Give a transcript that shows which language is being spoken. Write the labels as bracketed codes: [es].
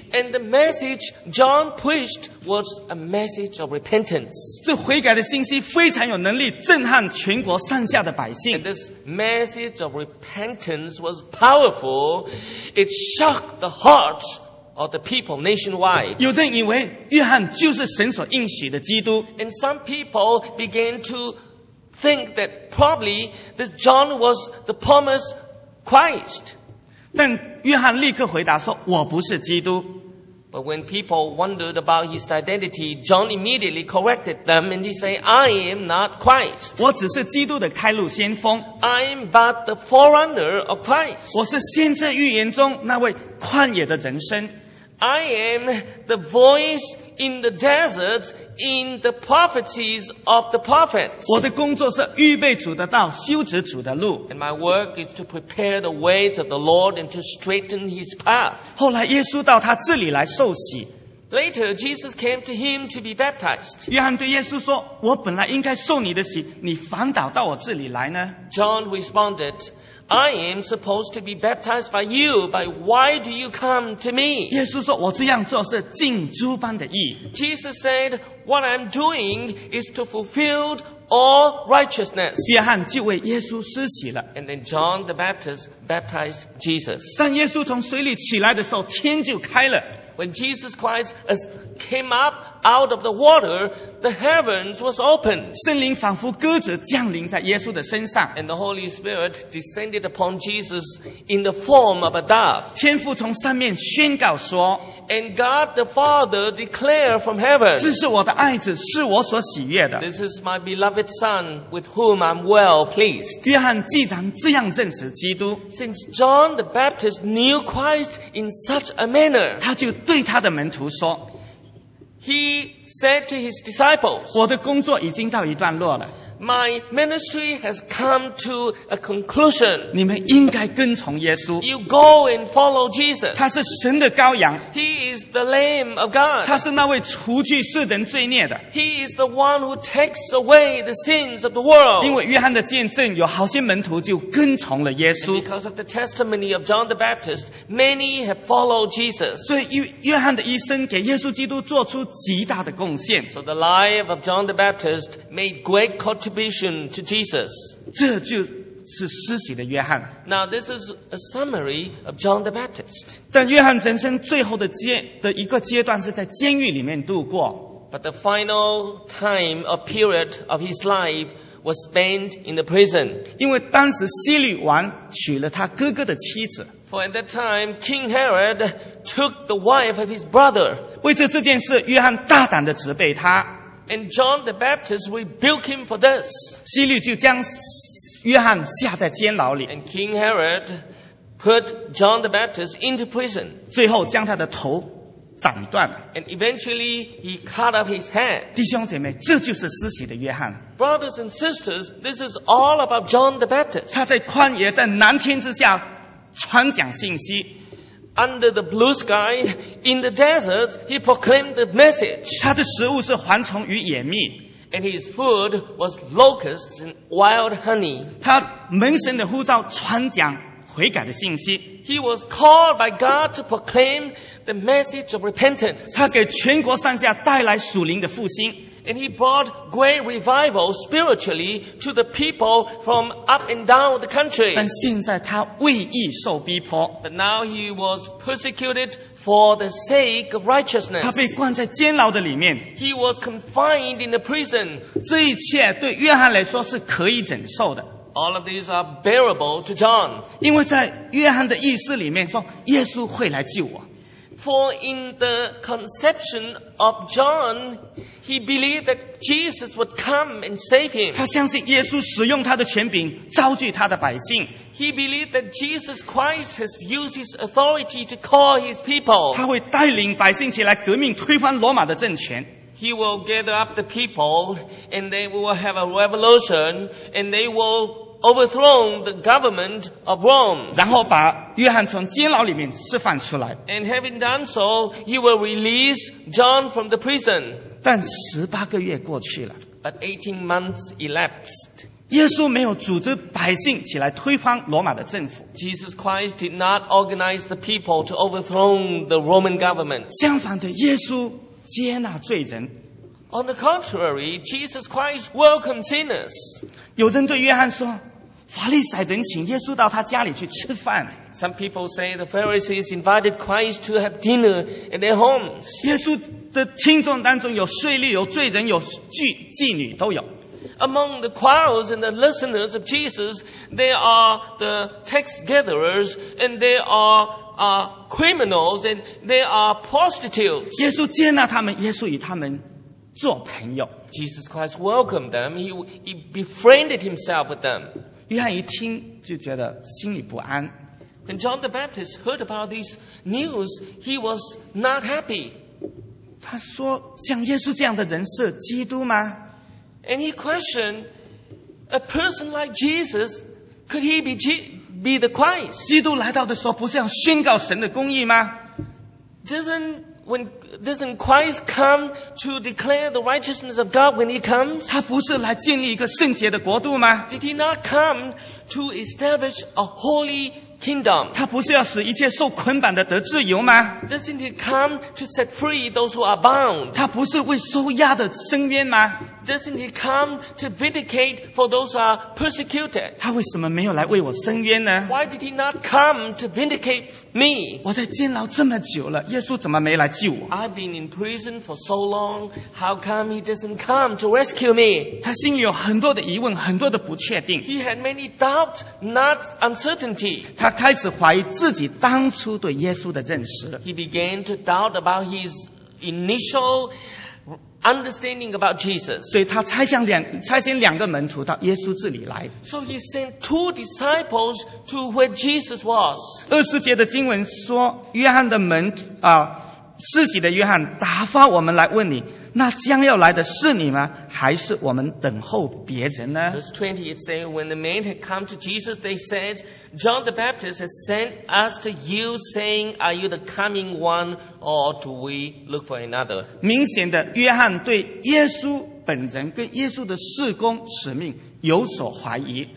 [en] And the message John preached was a message of repentance. [zh] 这悔改的信息非常有能力震撼全国上下的百姓。 [en] And this message of repentance was powerful. It shocked the heart of the people nationwide. [zh] 有人以为约翰就是神所应许的基督。 [en] And some people began to think that probably this John was the promised Christ. [zh] 但约翰立刻回答说，我不是基督。 [en] But when people wondered about his identity, John immediately corrected them and he said, I am not Christ. [zh] 我只是基督的开路先锋。 [en] I am but the forerunner of Christ. [zh] 我是先知预言中那位旷野的人声。 [en] I am the voice in the desert, in the prophecies of the prophets. [zh] 我的工作是预备主的道，修直主的路。 [en] And my work is to prepare the ways of the Lord and to straighten his path. [zh] 后来耶稣到他这里来受洗。 [en] Later, Jesus came to him to be baptized. [zh] 约翰对耶稣说，我本来应该受你的洗，你反倒到我这里来呢？ [en] John responded, I am supposed to be baptized by you, but why do you come to me? [zh] 耶稣说，我这样做是尽诸般的义。 [en] Jesus said, what I'm doing is to fulfill all righteousness. [zh] 约翰就为耶稣施洗了。 [en] And then John the Baptist baptized Jesus. [zh] 当耶稣从水里起来的时候，天就开了。 [en] When Jesus Christ came up out of the water, the heavens was opened. [zh] 圣灵仿佛鸽子降临在耶稣的身上。 [en] And the Holy Spirit descended upon Jesus in the form of a dove. [zh] 天父从上面宣告说， [en] And God the Father declared from heaven, [zh] 这是我的爱子，是我所喜悦的。 [en] This is my beloved Son with whom I'm well pleased. [zh] 约翰既然这样认识基督， [en] Since John the Baptist knew Christ in such a manner, [zh] 他就对他的门徒说， [en] He said to his disciples, [zh] 我的工作已经到一段落了。 [en] My ministry has come to a conclusion. [zh] 你们应该跟从耶稣。 [en] You go and follow Jesus. [zh] 他是神的羔羊。 [en] He is the Lamb of God. [zh] 他是那位除去世人罪孽的。 [en] He is the one who takes away the sins of the world. [zh] 因为约翰的见证，有好些门徒就跟从了耶稣。 [en] And because of the testimony of John the Baptist, many have followed Jesus. [zh] 所以约翰的一生给耶稣基督做出极大的贡献。 [en] So the life of John the Baptist made great contribution to Jesus. [zh] 这就是施洗的约翰。 [en] Now this is a summary of John the Baptist. [zh] 但约翰人生最后的一个阶段是在监狱里面度过。 [en] But the final time or period of his life was spent in the prison. [zh] 因为当时希律王娶了他哥哥的妻子。 [en] For at that time, King Herod took the wife of his brother. [zh] 为这件事，约翰大胆地责备他。 [en] And John the Baptist rebuked him for this. [zh] 希律就将约翰下在监牢里。 [en] And King Herod put John the Baptist into prison. [zh] 最后将他的头斩断。 [en] And eventually he cut off his head. [zh] 弟兄姐妹，这就是施洗的约翰。 [en] Brothers and sisters, this is all about John the Baptist. [zh] 他在旷野，在蓝天之下传讲信息。 [en] Under the blue sky, in the desert, he proclaimed the message. [zh] 他的食物是蝗虫与野蜜。 [en] And his food was locusts and wild honey. [zh] 他蒙神的呼召传讲悔改的信息。 [en] He was called by God to proclaim the message of repentance. [zh] 他给全国上下带来属灵的复兴。 [en] And he brought great revival spiritually to the people from up and down the country. [zh] 但现在他为义受逼迫。 [en] But now he was persecuted for the sake of righteousness. [zh] 他被关在监牢的里面。 [en] He was confined in the prison. [zh] 这一切对约翰来说是可以忍受的。 [en] All of these are bearable to John. [zh] 因为在约翰的意识里面说，耶稣会来救我。 [en] For in the conception of John, he believed that Jesus would come and save him. [zh] 他相信耶稣使用他的权柄召聚他的百姓。 [en] He believed that Jesus Christ has used his authority to call his people. [zh] 他会带领百姓起来革命，推翻罗马的政权。 [en] He will gather up the people, and they will have a revolution, and they will overthrown the government of Rome. [zh] 然后把约翰从监牢里面释放出来。 [en] And having done so, he will release John from the prison. [zh] 但十八个月过去了。 [en] But 18 months elapsed. [zh] 耶稣没有组织百姓起来推翻罗马的政府。 [en] Jesus Christ did not organize the people to overthrown the Roman government. [zh] 相反的，耶稣接纳罪人。 [en] On the contrary, Jesus Christ welcomed sinners. [zh] 有人对约翰说，法利赛人请耶稣到他家里去吃饭。 [en] Some people say the Pharisees invited Christ to have dinner at their homes. [zh] 耶稣的听众当中有税吏，有罪人，有妓女，都有。 [en] Among the crowds and the listeners of Jesus, there are the tax gatherers and there are criminals and there are prostitutes. [zh] 耶稣接纳他们，耶稣与他们做朋友。 [en] Jesus Christ welcomed them. He befriended himself with them. [zh] 约翰一听就觉得心里不安。 [en] When John the Baptist heard about this news, he was not happy. [zh] 他说：“像耶稣这样的人是基督吗？” [en] And he questioned, "A person like Jesus, could he be the Christ?" [zh] 基督来到的时候，不是要宣告神的公义吗？ [en] Doesn't Christ come to declare the righteousness of God when he comes? [zh] 他不是来建立一个圣洁的国度吗？ [en] Did he not come to establish a holy kingdom? [zh] 他不是要使一切受捆绑的得自由吗？ [en] Doesn't he come to set free those who are bound? [zh] 他不是为受压的伸冤吗？ [en] Doesn't he come to vindicate for those who are persecuted? [zh] 他为什么没有来为我伸冤呢？ [en] Why did he not come to vindicate me? [zh] 我在监牢这么久了，耶稣怎么没来救我？ [en] I've been in prison for so long, how come he doesn't come to rescue me? [zh] 他心里有很多的疑问，很多的不确定。 [en] He had many doubts, not uncertainty. [zh] 他开始怀疑自己当初对耶稣的认识。 [en] He began to doubt about his initial understanding about Jesus. [zh] 所以他差遣两个门徒到耶稣这里来。 [en] So he sent two disciples to where Jesus was. [zh] 二十节的经文说，约翰的门施洗的约翰打发我们来问你，那将要来的是你吗？还是我们等候别人呢？ [en] Verse 20, it says, when the men had come to Jesus, they said, John the Baptist has sent us to you, saying, are you the coming one, or do we look for another? [zh] 明显的，约翰对耶稣本人跟耶稣的事工使命有所怀疑。